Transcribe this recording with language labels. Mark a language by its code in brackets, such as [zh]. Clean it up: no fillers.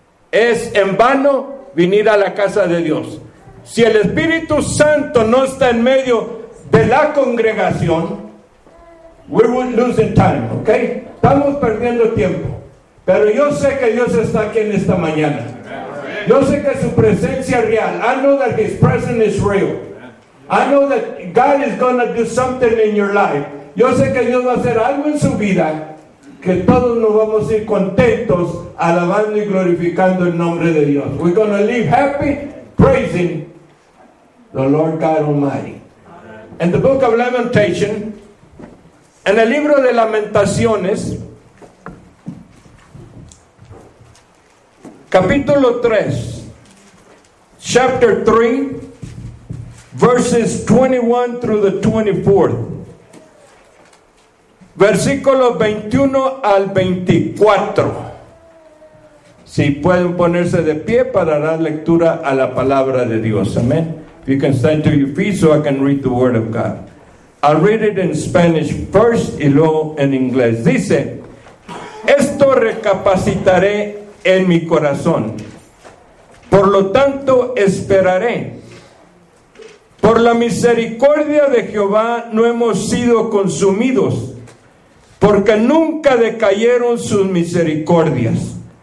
[es] Es en vano venir a la casa de Dios. Si el Espíritu Santo no está en medio de la congregación, [en] we're losing time, okay? [es] Estamos perdiendo tiempo. Pero yo sé que Dios está aquí en esta mañana. Yo sé que su presencia es real. [en] I know that his presence is real. I know that God is going to do something in your life. [es] Yo sé que Dios va a hacer algo en su vida, que todos nos vamos a ir contentos alabando y glorificando el nombre de Dios. [en] We're going to live happy praising the Lord God Almighty. In the book of Lamentation, [es] en el libro de Lamentaciones, capítulo 3, [en] chapter 3, verses 21 through the 24th, [es] versículo 21 al 24. Si pueden ponerse de pie para dar lectura a la palabra de Dios. Amén. [en] If you can stand to your feet so I can read the word of God. I'll read it in Spanish first [es] y luego en inglés. Dice, esto recapacitaré en mi corazón. Por lo tanto, esperaré. Por la misericordia de Jehová no hemos sido consumidos, porque nunca decayeron sus misericordias.